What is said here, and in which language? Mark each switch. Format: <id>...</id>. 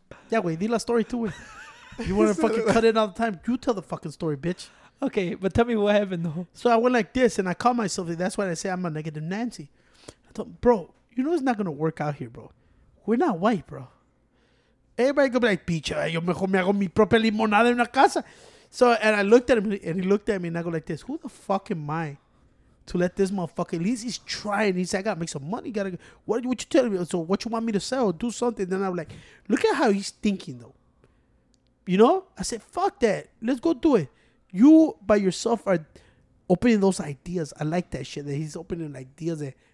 <en>Yeah, wait, di la story too. You wanna fucking cut it all the time? You tell the fucking story, bitch. Okay, but tell me what happened though. So I went like this and I caught myself. That's why I say I'm a negative Nancy. I thought, bro, you know it's not gonna work out here, bro. We're not white, bro. Everybody gonna be like,</en> <es>picha, yo mejor me hago mi propia limonada en una casa.</es> <en>So, and I looked at him, and he looked at me, and I go like this, who the fuck am I to let this motherfucker, at least he's trying, he's like, I gotta make some money, gotta, what you telling me, so what you want me to sell, do something, then I'm like, look at how he's thinking, though, you know, I said, fuck that, let's go do it, you by yourself are opening those ideas, I like that shit, that he's opening ideas, that</en>